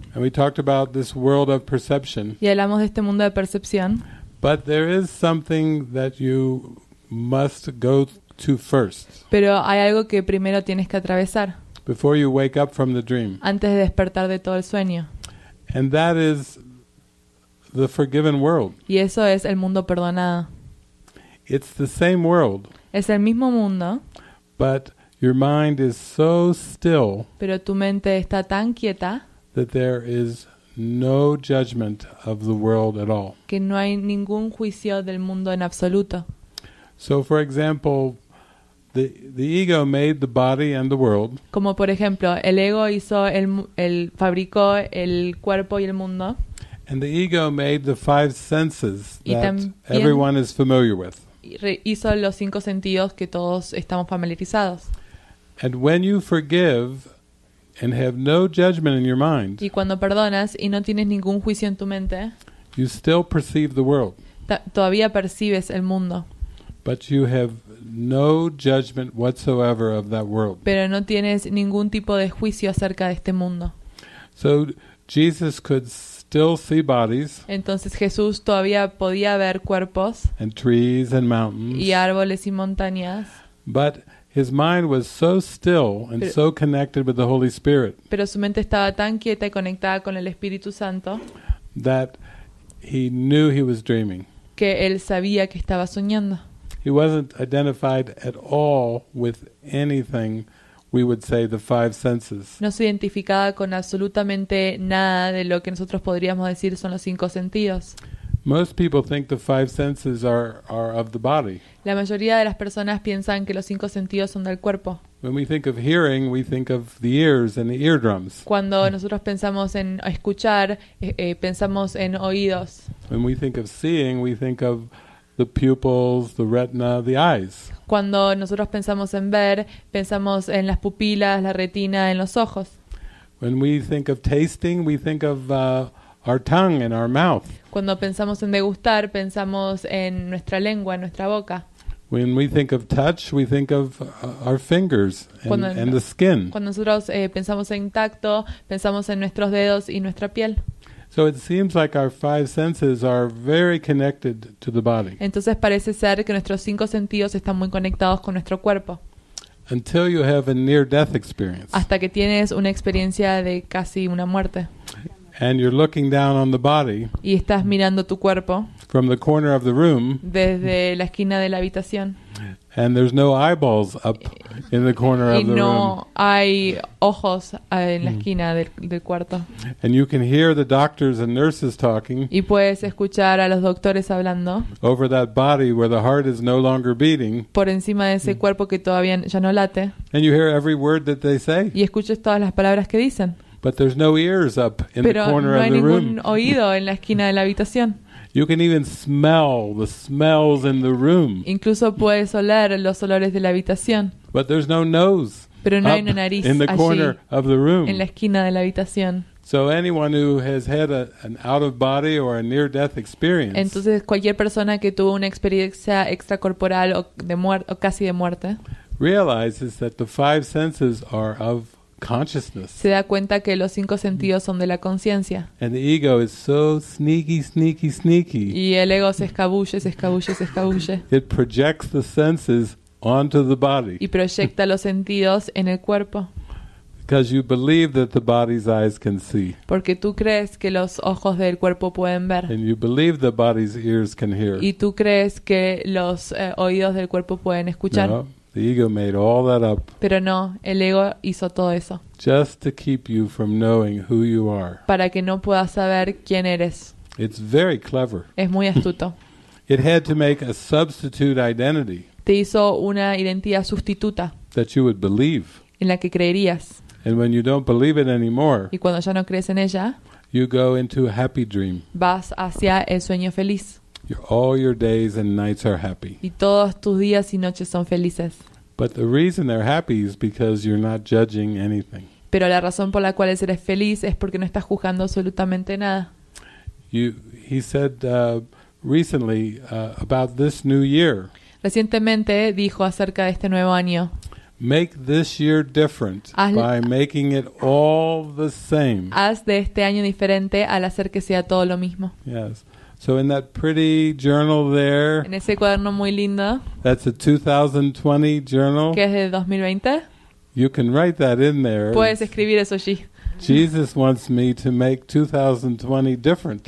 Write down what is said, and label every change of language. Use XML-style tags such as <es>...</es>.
<en>And we talked about this world of perception.</en> <es>Y hablamos de este mundo de percepción.</es> <en>But there is something that you must go to first.</en> <es>Pero hay algo que primero tienes que atravesar.</es> <en>Before you wake up from the dream.</en> <es>Antes de despertar de todo el sueño.</es> <en>And that is the forgiven world.</en> <es>Y eso es el mundo perdonado.</es> <en>It's the same world.</en> <es>Es el mismo mundo.</es> <en>But your mind is so still.</en> <es>Pero tu mente está tan quieta.</es> <en>That there is no judgment of the world at all.</en> <es>Que no hay ningún juicio del mundo en absoluto.</es> <en>So for example, the ego made the body and the world.</en> <es>Como por ejemplo, el ego hizo el fabricó el cuerpo y el mundo.</es> <en>And the ego made the five senses that everyone is familiar with.</en> <es>Hizo los cinco sentidos que todos estamos familiarizados.</es> <en>And when you forgive and have no judgment in your mind.</en> <es>Y cuando perdonas y no tienes ningún juicio en tu mente.</es> <en>You still perceive the world.</en> <es>Todavía percibes el mundo.</es> <en>But you have no judgment whatsoever of that world.</en> <es>Pero no tienes ningún tipo de juicio acerca de este mundo.</es> <en>So Jesus could still see bodies.</en> <es>Entonces Jesús todavía podía ver cuerpos.</es> <en>And trees and mountains.</en> <es>Y árboles y montañas.</es> <en>But his mind was so still and so connected with the Holy Spirit.</en> <es>Pero su mente estaba tan quieta y conectada con el Espíritu Santo.</es> <en>That he knew he was dreaming.</en> <es>Que él sabía que estaba soñando.</es> <en>He wasn't identified at all with anything we would say the five senses.</en> <es>No se identificaba con absolutamente nada de lo que nosotros podríamos decir son los cinco sentidos.</es> <en>Most people think the five senses are of the body.</en> <es>La mayoría de las personas piensan que los cinco sentidos son del cuerpo.</es> <en>When we think of hearing, we think of the ears and the eardrums.</en> <es>Cuando nosotros pensamos en escuchar, pensamos en oídos.</es> <en>When we think of seeing, we think of the pupils, the retina, the eyes.</en> <es>Cuando nosotros pensamos en ver, pensamos en las pupilas, la retina, en los ojos.</es> <en>When we think of tasting, we think of our tongue and our mouth.</en> <es>Cuando pensamos en degustar, pensamos en nuestra lengua, en nuestra boca.</es> <en>When we think of touch, we think of our fingers and the skin.</en> <es>Cuando nosotros pensamos en tacto, pensamos en nuestros dedos y nuestra piel.</es> <en>So it seems like our five senses are very connected to the body.</en> <es>Entonces parece ser que nuestros cinco sentidos están muy conectados con nuestro cuerpo.</es> <en>Until you have a near-death experience.</en> <es>Hasta que tienes una experiencia de casi una muerte.</es> <en>And you're looking down on the body.</en> <es>Y estás mirando tu cuerpo.</es> <en>From the corner of the room.</en> <es>Desde la esquina de la habitación.</es> <en>And there's no eyeballs up in the corner of the room.</en> <es>Y no hay ojos en la esquina del cuarto.</es> <en>And you can hear the doctors and nurses talking.</en> <es>Y puedes escuchar a los doctores hablando.</es> <en>Over that body where the heart is no longer beating.</en> <es>Por encima de ese cuerpo que todavía ya no late.</es> <en>And you hear every word that they say.</en> <es>Y escuchas todas las palabras que dicen.</es> <en>But there's no ears up in</en> <es>Pero</es> <en>the corner</en> <es>no</es> <en>of the room.</en> <es>Pero no hay ningún oído en la esquina de la habitación.</es> <en>You can even smell the smells in the room.</en> <es>Incluso puedes oler los olores de la habitación.</es> <en>But there's no nose.</en> <es>Pero no hay una nariz</es> <en>in the corner</en> <es>allí,</es> <en>of the room.</en> <es>En la esquina de la habitación.</es> <en>So anyone who has had an out of body or a near death experience.</en> <es>Entonces cualquier persona que tuvo una experiencia extracorporal o casi de muerte.</es> <en>Realizes that the five senses are of consciousness.</en> <es>Se da cuenta que los cinco sentidos son de la conciencia.</es> <en>And the ego is so sneaky, sneaky, sneaky.</en> <es>Y el ego se escabulle, se escabulle, se escabulle.</es> <en>It projects the senses onto the body.</en> <es>Y proyecta los sentidos en el cuerpo.</es> <en>Because you believe that the body's eyes can see.</en> <es>Porque tú crees que los ojos del cuerpo pueden ver.</es> <en>And you believe the body's ears can hear.</en> <es>Y tú crees que los oídos del cuerpo pueden escuchar.</es> <en>No. The ego made all that up.</en> <es>Pero no, el ego hizo todo eso.</es> <en>Just to keep you from knowing who you are.</en> <es>Para que no puedas saber quién eres.</es> <en>It's very clever.</en> <es>Es muy astuto.</es> <en>It had to make a substitute identity.</en> <es>Te hizo una identidad sustituta.</es> <en>That you would believe.</en> <es>En la que creerías.</es> <en>And when you don't believe it anymore.</en> <es>Y cuando ya no crees en ella.</es> <en>You go into a happy dream.</en> <es>Vas hacia el sueño feliz.</es> <en>All your days and nights are happy.</en> <es>Y todos tus días y noches son felices.</es> <en>But the reason they're happy is because you're not judging anything.</en> <es>Pero la razón por la cual eres feliz es porque no estás juzgando absolutamente nada.</es> <en>He said recently about this new year.</en> <es>Recientemente dijo acerca de este nuevo año.</es> <en>Make this year different by making it all the same.</en> <es>Haz de este año diferente al hacer que sea todo lo mismo.</es> <en>Yes. So in that pretty journal there.</en> <es>En ese cuaderno muy lindo.</es> <en>That's a 2020 journal.</en> <es>Que es de 2020.</es> <en>You can write that in there.</en> <es>Puedes escribir eso allí.</es> <en>Jesus wants me to make 2020 different.</en>